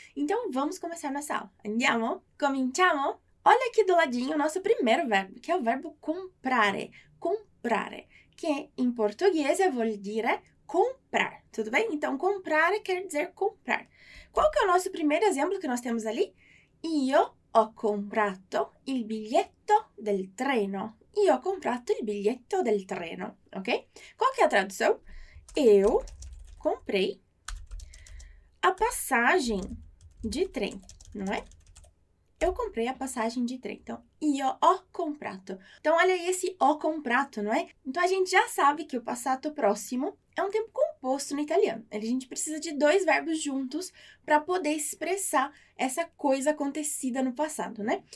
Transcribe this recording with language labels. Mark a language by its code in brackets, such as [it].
[pt] Então vamos começar nossa aula. [it] Andiamo? Cominciamo? [pt] Olha aqui do ladinho o nosso primeiro verbo, que é o verbo comprare. Comprare, que em português [it] vuol dire [pt] comprar, tudo bem? Então, comprare quer dizer comprar. Qual que é o nosso primeiro exemplo que nós temos ali? [it] Io ho comprato il biglietto del treno. Io ho comprato il biglietto del treno, ok? [pt] Qual que é a tradução? Eu comprei a passagem de trem, não é? Eu comprei a passagem de trem. Então, [it] io ho comprato. [pt] Então, olha aí esse ho comprato, não é? Então, a gente já sabe que o passato próximo é um tempo composto no italiano. A gente precisa de dois verbos juntos para poder expressar essa coisa acontecida no passado, né?